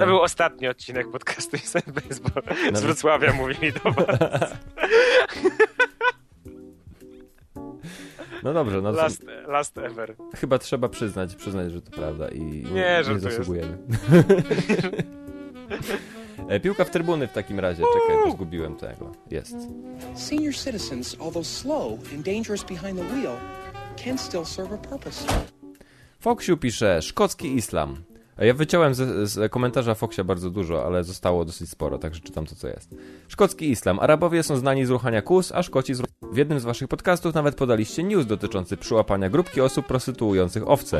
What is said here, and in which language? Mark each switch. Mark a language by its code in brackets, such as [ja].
[pl] To był ostatni odcinek podcastu SMBS, bo na z Wrocławia mówi mi to bardzo. No dobrze, no [en] last ever. [pl] Chyba trzeba przyznać, że to prawda i nie, nie że zasługujemy. Piłka w trybuny w takim razie, czekaj, zgubiłem tego. Jest. [en] Senior citizens, although slow and dangerous behind the wheel, can still serve a purpose. [pl] Foxiu pisze: szkocki islam. Ja wyciąłem z komentarza Foxia bardzo dużo, ale zostało dosyć sporo, także czytam to, co jest. Szkocki islam. Arabowie są znani z ruchania kus, a Szkoci z... W jednym z waszych podcastów nawet podaliście news dotyczący przyłapania grupki osób prostytuujących owce.